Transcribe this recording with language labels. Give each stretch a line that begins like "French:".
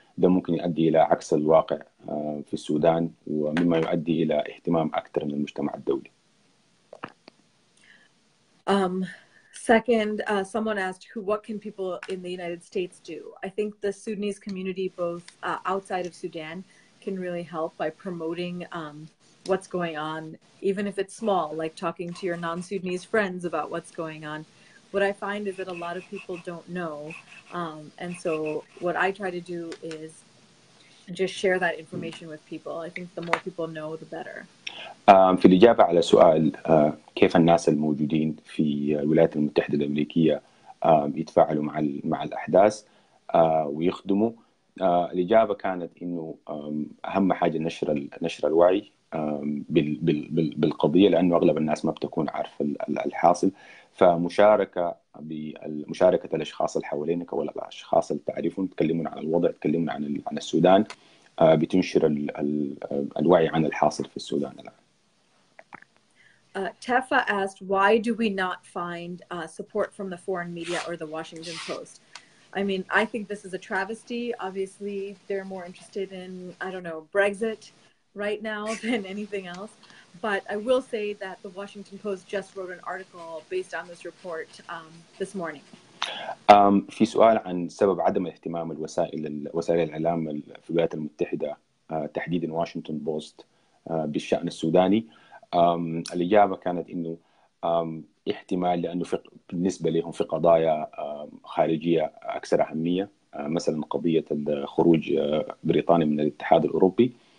Arabic: ده ممكن يؤدي إلى عكس الواقع في السودان ومما يؤدي إلى اهتمام أكثر من المجتمع الدولي.
English: Second, someone asked, what can people in the United States do? I think the Sudanese community, both outside of Sudan, can really help by promoting what's going on, even if it's small, like talking to your non-Sudanese friends about what's going on. What I find is that a lot of people don't know. And so what I try to do is just share that information with people. I think the more people know, the better.
Arabic: في الإجابة على سؤال كيف الناس الموجودين في الولايات المتحدة الأمريكية يتفاعلوا مع الأحداث ويخدموا، الإجابة كانت إنه أهم حاجة نشر الوعي بالقضية، لأنه أغلب الناس ما بتكون عارفة الحاصل، فمشاركة بمشاركة الأشخاص اللي حوالينك ولا الأشخاص اللي تعرفهم تكلمون عن الوضع تكلمون عن السودان بتنشر الوعي عن الحاصل في السودان الآن.
English: Tefa asked, why do we not find support from the foreign media or the Washington Post? I mean, I think this is a travesty. Obviously, they're more interested in, I don't know, Brexit right now than anything else. But I will say that the Washington Post just wrote an article based on this report this morning.
Arabic: في سؤال عن سبب عدم اهتمام وسائل الإعلام في الولايات المتحدة تحديد واشنطن بوست بالشأن السوداني. الإجابة كانت إنه احتمال لأنه بالنسبة لهم في قضايا خارجية أكثر أهمية، مثلا قضية خروج بريطانيا من الاتحاد الأوروبي.